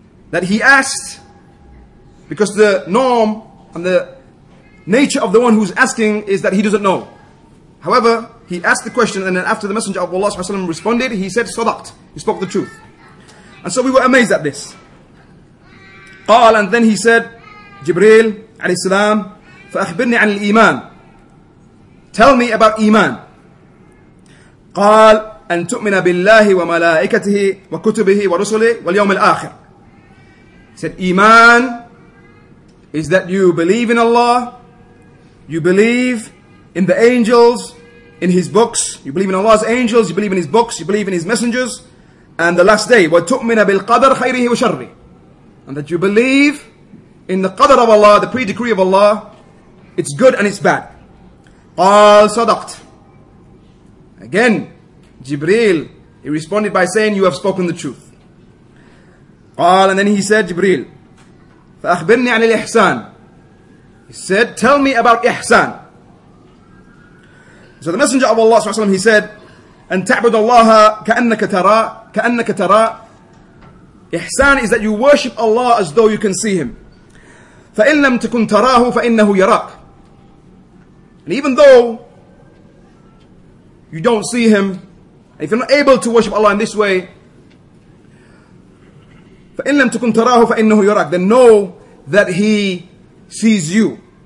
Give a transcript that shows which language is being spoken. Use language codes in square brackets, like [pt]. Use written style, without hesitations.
[en] That he asked, because the norm and the nature of the one who's asking is that he doesn't know. However, he asked the question, and then after the Messenger of Allah صلى الله عليه وسلم responded, he said, [ar] صدقت, [en] he spoke the truth. And so we were amazed at this. [ar] قال, [en] and then he said, [ar] Jibreel alayhi salam, فأخبرني عن الإيمان. [en] Tell me about إيمان. [ar] قال أن تؤمن بالله وملائكته وكتبه ورسله واليوم الآخر. [en] He said, إيمان is that you believe in Allah, you believe in the angels, in His books, you believe in Allah's angels, you believe in His books, you believe in His messengers, and the last day. [ar] وتؤمن بالقدر خيره وشره. [en] And that you believe in the qadr of Allah, the pre-decree of Allah, it's good and it's bad. [ar] قال صدقت. [en] Again, Jibreel, he responded by saying, you have spoken the truth. [ar] قال, [en] and then he said, Jibreel, [ar] فأخبرني عن الإحسان. [en] He said, tell me about إحسان. So the Messenger of Allah, وسلم, he said, [ar] أن تعبد الله كأنك ترى, كأنك ترى. [en] إحسان is that you worship Allah as though you can see Him. [ar] فإن لم تكن تراه فإنه يراك. [en] And even though you don't see Him, if you're not able to worship Allah in this way, [ar] فإن لم تكن تراه فإنه يراك, [en] then know that He sees you.